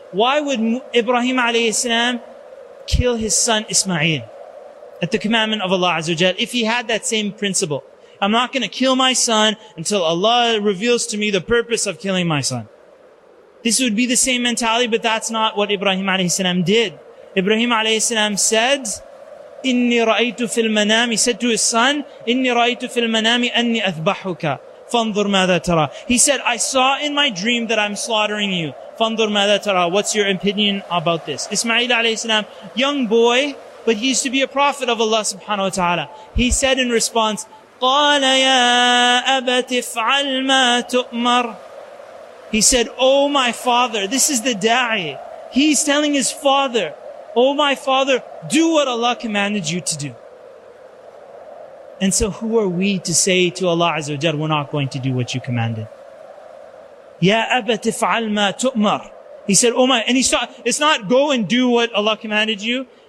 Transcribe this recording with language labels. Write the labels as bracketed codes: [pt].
[en] Why would Ibrahim alayhi salam kill his son Ismail at the commandment of Allah azza wa jal if he had that same principle? I'm not going to kill my son until Allah reveals to me the purpose of killing my son. This would be the same mentality, but that's not what Ibrahim alayhi salam did. Ibrahim alayhi salam said, [ar] إِنِّي رَأَيْتُ فِي الْمَنَامِ, [en] he said to his son, [ar] إِنِّي رَأَيْتُ فِي الْمَنَامِ أَنِّي أَذْبَحُكَ فَانْظُرْ مَاذَا تَرَى. [en] He said, I saw in my dream that I'm slaughtering you. [ar] فَانْظُرْ مَاذَا تَرَى. [en] What's your opinion about this? Ismail alayhi salam, young boy, but he used to be a prophet of Allah subhanahu wa ta'ala. He said in response, [ar] قَالَ يَا أَبَتِ فَعَلْ مَا تُؤْمَرْ. [en] He said, oh my father, this is the da'i. He's telling his father, oh my father, do what Allah commanded you to do. And so who are we to say to Allah Azza wa Jal, we're not going to do what you commanded? [ar] Ya abati fa'al ma tu'mar. [en] He said, oh my, and he saw, it's not go and do what Allah commanded you.